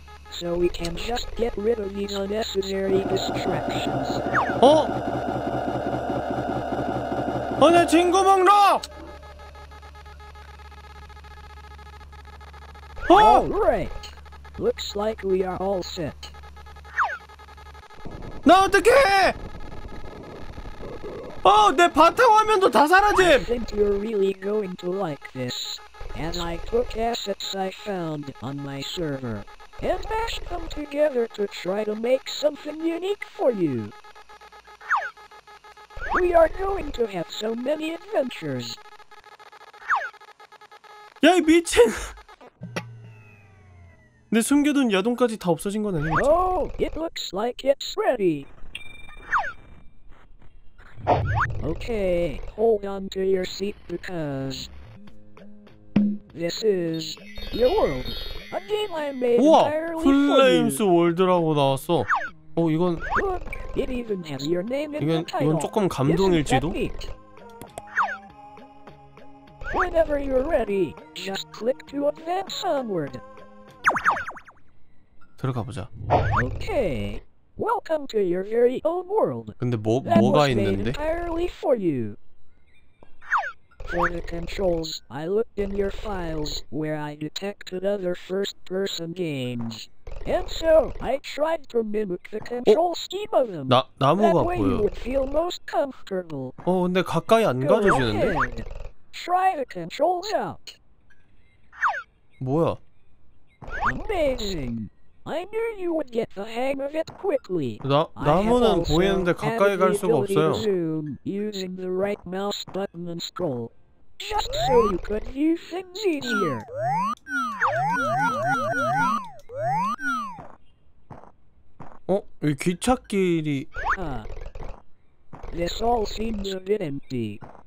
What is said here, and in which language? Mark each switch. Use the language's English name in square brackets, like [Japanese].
[English] So we can just get rid of these unnecessary distractions. 어? [Korean] 어, 내 친구 먹노! 어? [English] Alright. Looks like we are all set. [Korean] 나 어떡해! 어, 내 바탕 화면도 다 사라짐. [English] I think you're really going to like this. And I took assets I found on my server and mashed them together to try to make something unique for you. We are going to have so many adventures. [Korean] 야, 이 미친. 내 숨겨둔 야동까지 다 없어진 거네. [English] Oh, it looks like it's ready. Okay, hold on to your seat because this is your world. A game I made entirely for you. [Korean] 우와, 플레임스 월드라고 나왔어. 어, 이건 [English] Look, it even has your name in the title. [Korean] 이건 조금 감동일지도. [English] Whenever you're ready, just click to advance onward. [Korean] 들어가 보자. [English] Okay. Welcome to your very own world. [Korean] 근데 뭐가 있는데? [English] Entirely for you. For the controls, I looked in your files where I detected other first-person games. And so, I tried to mimic the control scheme of them. [Korean] 나무가 [English] That way you would feel most comfortable. [Korean] 어, 근데 가까이 안 가져지는데? [English] Go ahead. Try the controls out. [Korean] 뭐야? [English] Amazing. I knew you would get the hang of it quickly. [Korean] 나무는 보이는데 가까이 갈 수가 없어요. [English] Zoom using the right mouse button and scroll. Just so you could view things easier. [Korean] Oh, 이 기찻길이. [English] This all seems a bit empty.